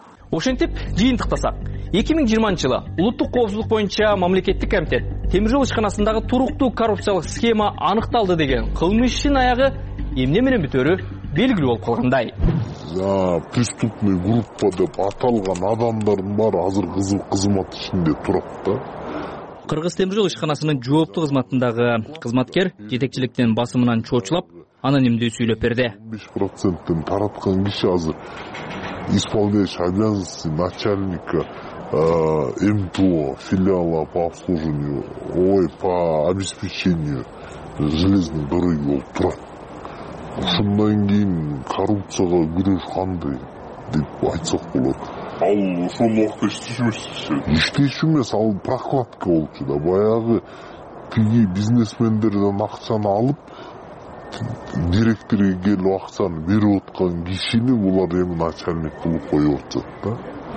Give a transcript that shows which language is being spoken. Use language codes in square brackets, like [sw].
[ky] Ошентип жыйынтыктасак, 2020 жылы улуттук коопсуздук боюнча мамлекеттик комитет темир жол ишканасындагы туруктуу коррупциялык схема аныкталды деген кылмыш ишин аягы эмне менен бүтөрү белгилүү болуп калгандай. [ru] Преступный группа [ky] деп аталган адамдардын баары азыр кызмат ишинде турат да. Кыргыз темир жол ишканасынын жооптуу кызматындагы кызматкер жетекчиликтин басымынан чоочулап анонимдүү сүйлөп берди. 15%ын тараткан киши азыр [ru] исполняющий обязанности начальника МТО, филиала по обслуживанию, ой, по обеспечению железной дороги [ky] болуп турат. Ушундан кийин коррупцияга күрөш кандай деп айтсак болот. Ал ошол убакта иштеши эмес, иштеши эмес, ал прокладка болчу да. Баягы тиги бизнесмендерден акчаны алып директорге келип акчаны берип аткан кишини булар эми начальник кылып коюп атышат да.